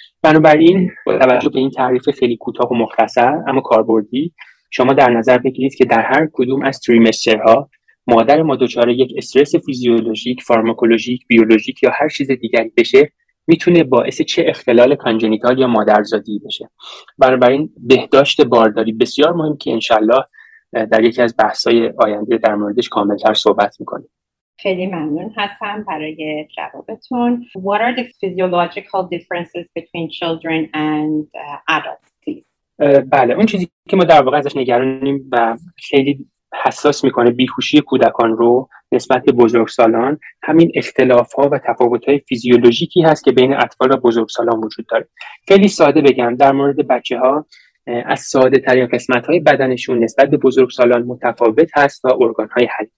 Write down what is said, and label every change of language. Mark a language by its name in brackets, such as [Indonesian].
[Persian] بنابراین با توجه به این تعریف خیلی کوتاه و مختصر اما کاربردی، شما در نظر بگیرید که در هر کدوم از تریمسترها مادر ما دچار یک استرس فیزیولوژیک، فارماکولوژیک، بیولوژیک یا هر چیز دیگری بشه میتونه باعث چه اختلال کانجنیتال یا مادرزادی بشه. بنابراین بهداشت بارداری بسیار مهم که انشالله در یکی از بحث‌های آینده در موردش کاملتر صحبت میکنیم. خیلی ممنون هستم برای جوابتون. [English] What are the physiological differences between children and adults, please? [Persian] بله، اون چیزی که ما در واقع ازش نگرانیم و خیلی حساس میکنه بیهوشی کودکان رو نسبت به بزرگسالان، همین اختلاف ها و تفاوت های فیزیولوژیکی هست که بین اطفال و بزرگسالان وجود داره. خیلی ساده بگم در مورد بچه ها، از ساده ترین قسمت های بدنشون نسبت به بزرگسالان متفاوت هست و ارگان های حل.